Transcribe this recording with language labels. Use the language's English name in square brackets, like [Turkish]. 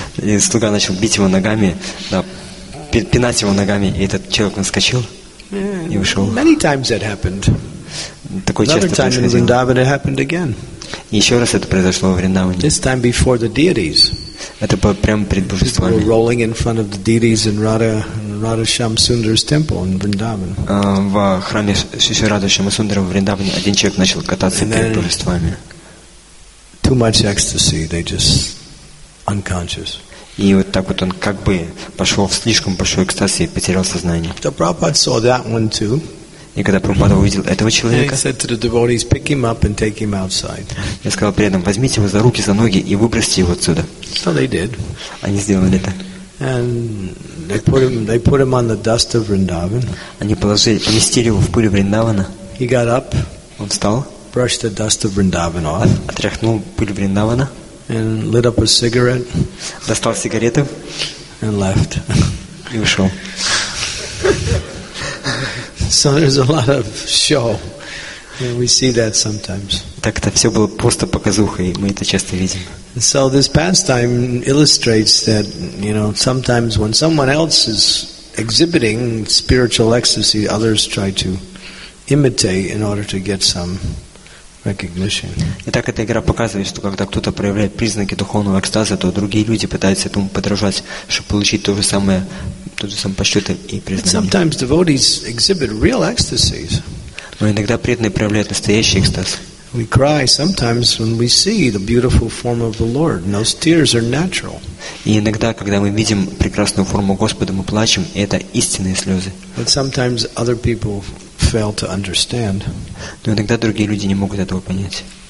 [Russian] И слуга начал бить его ногами, да, пинать его ногами, и этот человек вскочил и ушел. [English] Many times that happened. [Russian] Такое часто происходило. [English] Another time in Vrindavan it happened again. [Russian] Еще раз это произошло в Вриндаване. [English] This time before the deities. [Russian] Это было прямо перед божествами. [English] People were rolling in front of the deities in Radha Shamsundar's temple in Vrindavan. [Russian] В храме Шри Радха Шамасундара в Вриндаване один человек начал кататься перед божествами. [English] Too much ecstasy, they just unconscious. [Russian] И вот так вот он как бы пошел в слишком большой экстаз и потерял сознание. [English] The Prabhupada saw that one too. [Russian] И когда Прабхупада увидел этого человека, [English] he said to the devotees, pick him up and take him outside. [Russian] Я сказал преданным, возьмите его за руки, за ноги и выбросьте его отсюда. [English] So they did. [Russian] Они сделали это. [English] And they put him on the dust of Vrindavan. [Russian] Они поместили его в пыль Вриндавана. [English] He got up. [Russian] Он встал. [English] Brushed the dust of Vrindavan off. [Russian] Отряхнул пыль Вриндавана. [English] And lit up a cigarette. [Russian] Достал сигарету. [English] And left. [Russian] И ушел. [English] So there's a lot of show, and we see that sometimes. [Russian] Так-то все было просто показухой, мы это часто видим. [English] So this pastime illustrates that, you know, sometimes when someone else is exhibiting spiritual ecstasy, others try to imitate in order to get some recognition. [Russian] Итак, эта игра показывает, что когда кто-то проявляет признаки духовного экстаза, то другие люди пытаются этому подражать, чтобы получить то же самое. [English] Sometimes devotees exhibit real ecstasies. [Russian] Но иногда преданные проявляют настоящий экстаз. [English] We cry sometimes when we see the beautiful form of the Lord. And those tears are natural. [Russian] И иногда, когда мы видим прекрасную форму Господа, мы плачем, и это истинные слезы. [English] But sometimes other people fail to understand. [Russian] Но иногда другие люди не могут этого понять.